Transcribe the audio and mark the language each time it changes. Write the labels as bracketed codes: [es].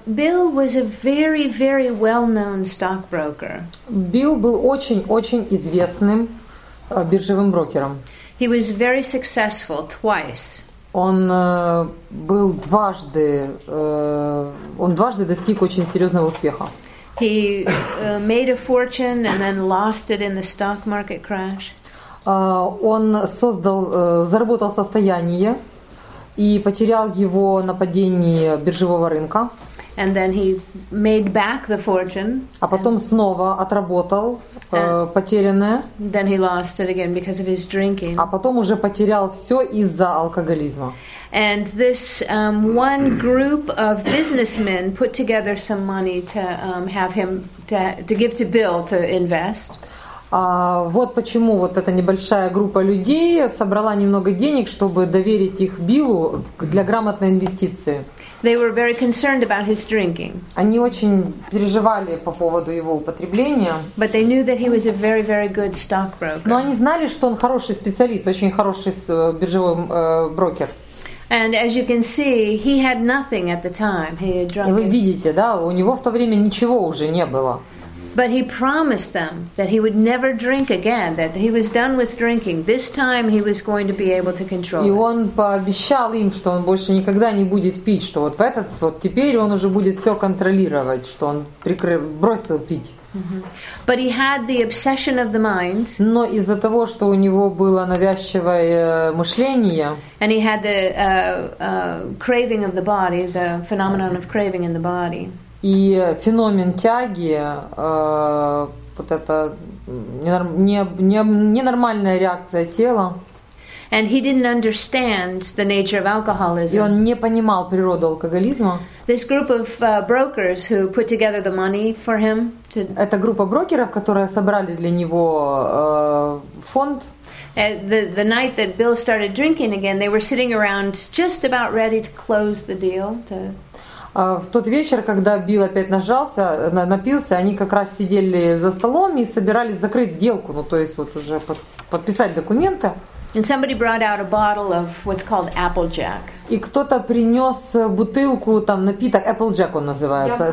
[en] Bill was a very, very well-known stockbroker. [ru] Bill был очень-очень известным биржевым брокером. [en] He was very successful twice. [ru] Он был дважды, он дважды достиг очень серьезного успеха. [en] He made a fortune and then lost it in the stock market crash. [ru] Он создал, заработал состояние и потерял его на падении биржевого рынка. [en] And then he made back the fortune. [ru] А потом снова отработал потерянное. [en] Then he lost it again because of his drinking. [ru] А потом уже потерял все из-за алкоголизма. [en] And this one group of businessmen put together some money to have him to give to Bill to invest. [ru] Вот почему вот эта небольшая группа людей собрала немного денег, чтобы доверить их Биллу для грамотной инвестиции. [en] They were very concerned about his drinking. [ru] Они очень переживали по поводу его употребления. [en] But they knew that he was a very, very good stockbroker. [ru] Но они знали, что он хороший специалист, очень хороший биржевой брокер. [en] And as you can see, he had nothing at the time. He had drunk. [ru] И вы видите, да, у него в то время ничего уже не было. [en] But he promised them that he would never drink again, that he was done with drinking. This time he was going to be able to control. [ru] И он пообещал им, что он больше никогда не будет пить, что вот в этот вот теперь он уже будет все контролировать, что он бросил пить. [en] But he had the obsession of the mind. [ru] Но из-за того, что у него было навязчивое мышление. [en] And he had the craving of the body, the phenomenon of craving in the body. [ru] И феномен тяги, вот это ненормальная реакция тела. [en] And he didn't understand the nature of alcoholism. [ru] И он не понимал природу алкоголизма. [en] This group of brokers who put together the money for him. [ru] Эта группа брокеров, которые собрали для него фонд. [en] The night that Bill started drinking again, they were sitting around just about ready to close the deal. [ru] В тот вечер, когда Билл опять нажался, напился, они как раз сидели за столом и собирались закрыть сделку, ну то есть вот уже подписать документы. [en] And somebody brought out a bottle of what's called Applejack. [ru] И кто-то принес бутылку там напиток Applejack он называется.